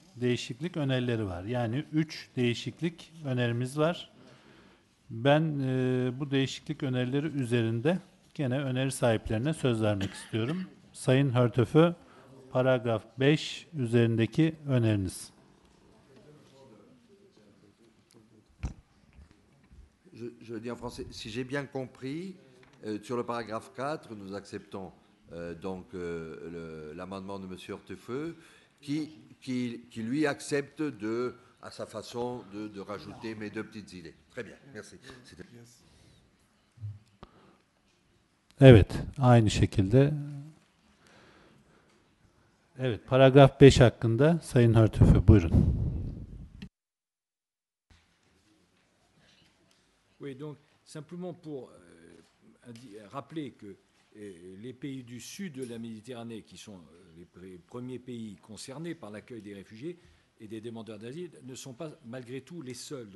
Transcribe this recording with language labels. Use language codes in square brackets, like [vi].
[tr] değişiklik önerileri var. Yani 3 değişiklik önerimiz var. Ben bu değişiklik önerileri üzerinde gene öneri sahiplerine söz vermek istiyorum. Sayın Hörtöfe, paragraf 5 üzerindeki öneriniz. [fr] Je dis en français, si j'ai bien compris, sur le paragraphe 4, nous acceptons l'amendement de M. Hortefeu, qui lui accepte de, à sa façon de rajouter mes deux petites idées. Très bien, merci. [tr] Evet, aynı şekilde. Evet, paragraphe 5 hakkında Sayın Hortefeu, buyurun. [fr] Oui, donc simplement pour rappeler que les pays du sud de la Méditerranée, qui sont les premiers pays concernés par l'accueil des réfugiés et des demandeurs d'asile, ne sont pas malgré tout les seuls.